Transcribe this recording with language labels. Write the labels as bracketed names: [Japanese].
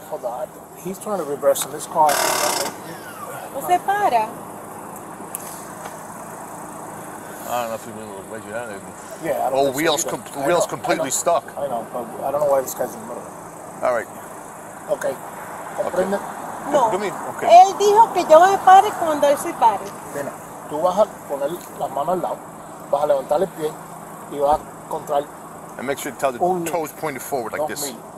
[English] Hold on. He's trying to reverse in this car. [Spanish] O se para. [English] I don't know if you're going to look like that. Yeah, I don't know. Oh, wheels completely stuck. I know, but I don't know why this guy's in the middle. All right. Okay. No. Come here. Okay. [Spanish] Él dijo que yo me pare cuando él se pare. Mira, tú vas a poner las manos al lado. Vas a levantar el pie y vas a contraer. [English] And make sure to tell the toes pointed forward like this.